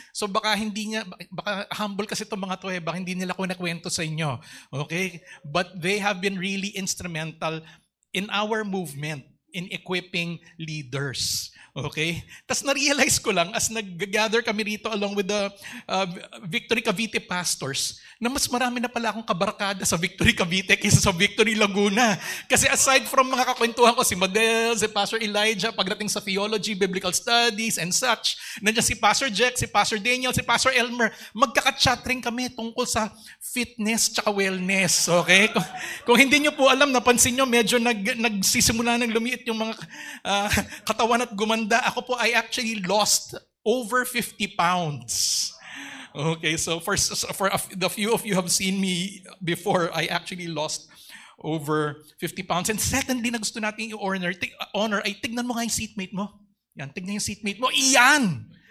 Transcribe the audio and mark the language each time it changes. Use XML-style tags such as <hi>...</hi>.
<tl>So baka hindi niya, baka humble kasi itong mga to eh, baka hindi nila ko nakwento sa inyo.</tl> <en>Okay? But they have been really instrumental in our movement in equipping leaders.</en> <tl>Okay? Tapos na-realize ko lang as nag-gather kami rito</tl> <en>along with the Victory Cavite pastors</en> <tl>na mas marami na pala akong kabarkada sa Victory Cavite kaysa sa Victory Laguna. Kasi aside from mga kakwentuhan ko, si Madel, si Pastor Elijah, pagdating sa</tl> <en>theology, biblical studies, and such,</en> <tl>nandiyan si Pastor Jack, si Pastor Daniel, si Pastor Elmer, magkaka-chattering kami tungkol sa fitness tsaka wellness. Okay? Kung hindi nyo po alam, napansin nyo, medyo nagsisimula ng lumiit yung mga katawan at gumanda. Ako po,</tl> <en>I actually lost over 50 pounds. Okay, so for the few of you have seen me before, I actually lost over 50 pounds. And secondly,</en> <tl>na gusto natin i-honor, ay tignan mo nga yung seatmate mo. Yan, tignan yung seatmate mo. Iyan!</tl>